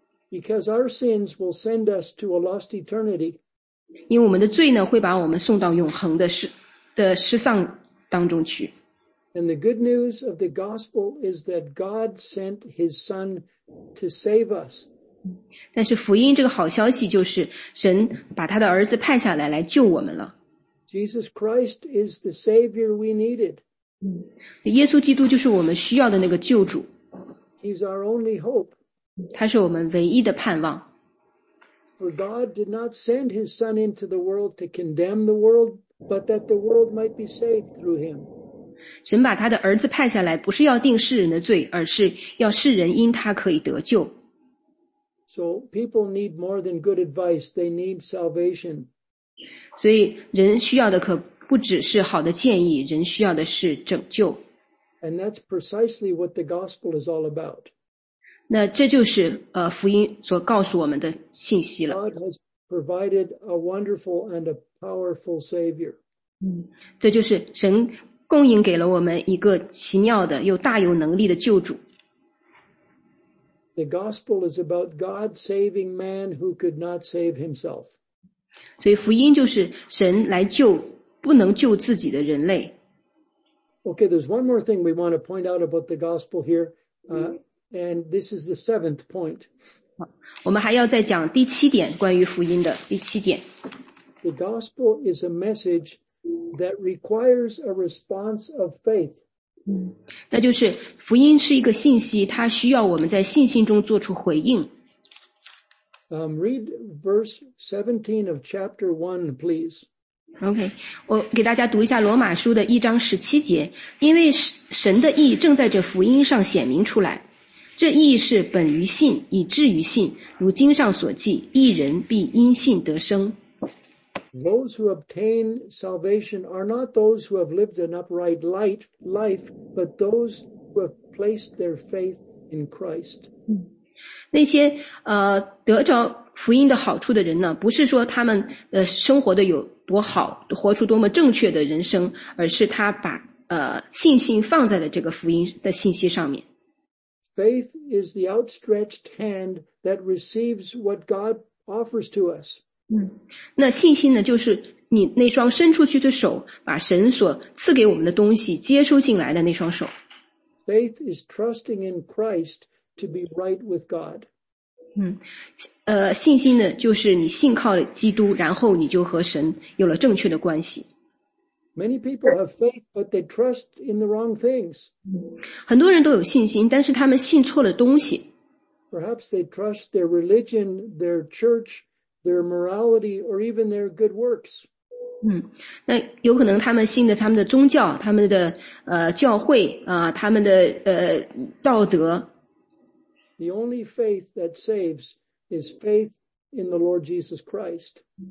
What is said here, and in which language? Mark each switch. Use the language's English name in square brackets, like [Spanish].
[English] Because our sins will send us to a lost eternity. [Chinese] 因为我们的罪呢会把我们送到永恒的失丧当中去。 [English] And the good news of the gospel is that God sent his son to save us. [Chinese] 但是福音这个好消息就是神把他的儿子派下来来救我们了。 [English] Jesus Christ is the Savior we needed. [Chinese] 耶稣基督就是我们需要的那个救主。 [English] He's our only hope. [Chinese] 他是我们唯一的盼望。 [English] For God did not send his son into the world to condemn the world, but that the world might be saved through him. [Chinese] 神把他的儿子派下来不是要定世人的罪，而是要世人因他可以得救。 [English] So people need more than good advice, they need salvation. [Chinese] 所以人需要的可不只是好的建议，人需要的是拯救。 [English] And that's precisely what the gospel is all about. [Chinese] 那这就是福音所告诉我们的信息了。 [English] God has provided a wonderful and a powerful savior. [Chinese] 这就是神供应给了我们一个奇妙的又大有能力的救主。 [English] The gospel is about God saving man who could not save himself. [Chinese] 所以福音就是神来救不能救自己的人类。 [English] Okay, there's one more thing we want to point out about the gospel here, and this is the seventh point. [Chinese] 我们还要再讲第七点，关于福音的第七点。 [English] The gospel is a message that requires a response of faith. [Chinese] 那就是福音是一个信息，它需要我们在信心中做出回应。 [English] Read verse 17 of chapter 1, please. [Chinese] OK， 我给大家读一下罗马书的一章十七节，因为神的义正在这福音上显明出来，这义是本于信，以至于信，如经上所记，义人必因信得生。 [English] Those who obtain salvation are not those who have lived an upright life, but those who have placed their faith in Christ. [Chinese] 那些得着福音的好处的人呢，不是说他们生活的有多好，活出多么正确的人生，而是他把信心放在了这个福音的信息上面。 [English] Faith is the outstretched hand that receives what God offers to us. [Chinese] 那信心呢，就是你那双伸出去的手，把神所赐给我们的东西接收进来的那双手。 [English] Faith is trusting in Christ to be right with God. [Chinese] 信心呢，就是你信靠了基督，然后你就和神有了正确的关系。 [English] Many people have faith, but they trust in the wrong things. [Chinese] 很多人都有信心，但是他们信错了东西。 [English] Perhaps they trust their religion, their church, their morality, or even their good works. [Chinese] 那有可能他们信的他们的宗教，他们的教会他们的道德。 [English] The only faith that saves is faith in the Lord Jesus Christ.